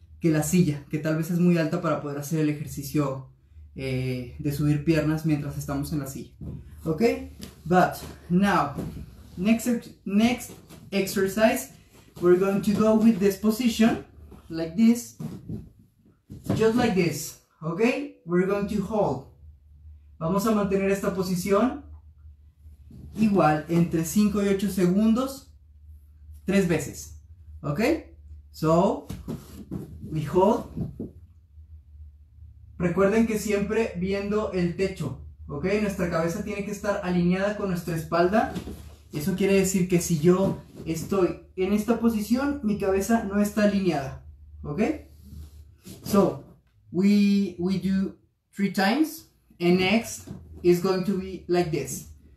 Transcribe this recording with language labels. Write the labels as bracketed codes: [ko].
[es] que la silla, que tal vez es muy alta para poder hacer el ejercicio de subir piernas mientras estamos en la silla. [en] Ok, but now, next exercise, we're going to go with this position, like this, just like this. Ok, we're going to hold. [es] Vamos a mantener esta posición igual entre 5 y 8 segundos, 3 veces. [en] Ok, so we hold. [es] Recuerden que siempre viendo el techo. Ok, nuestra cabeza tiene que estar alineada con nuestra espalda. Eso quiere decir que si yo estoy en esta posición, mi cabeza no está alineada. [en] Ok, so we do 3 times. And next is going to be like this.